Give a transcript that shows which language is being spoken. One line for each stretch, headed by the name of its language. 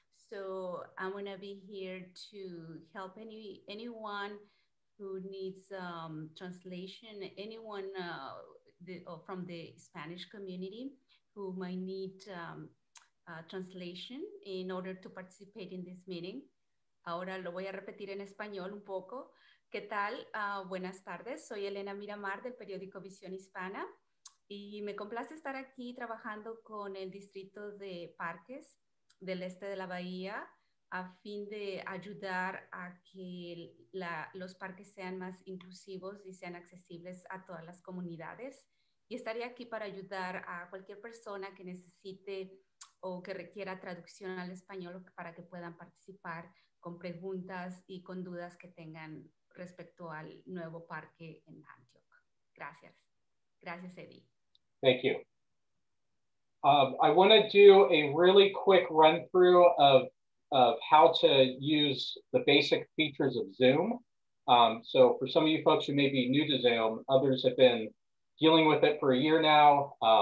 English: So I'm gonna be here to help anyone who needs translation, anyone from the Spanish community who might need translation in order to participate in this meeting.
Spanish: Ahora lo voy a repetir en español un poco. ¿Qué tal? Buenas tardes. Soy Elena Miramar del periódico Visión Hispana y me complace estar aquí trabajando con el Distrito de Parques del este de la bahía a fin de ayudar a que los parques sean más inclusivos y sean accesibles a todas las comunidades. Y estaré aquí para ayudar a cualquier persona que necesite o que requiera traducción al español para que puedan participar con preguntas y con dudas que tengan respecto al nuevo parque en Antioch. Gracias. Gracias, Eddie.
English: Thank you. I want to do a really quick run through of how to use the basic features of Zoom. So for some of you folks who may be new to Zoom, others have been dealing with it for a year now.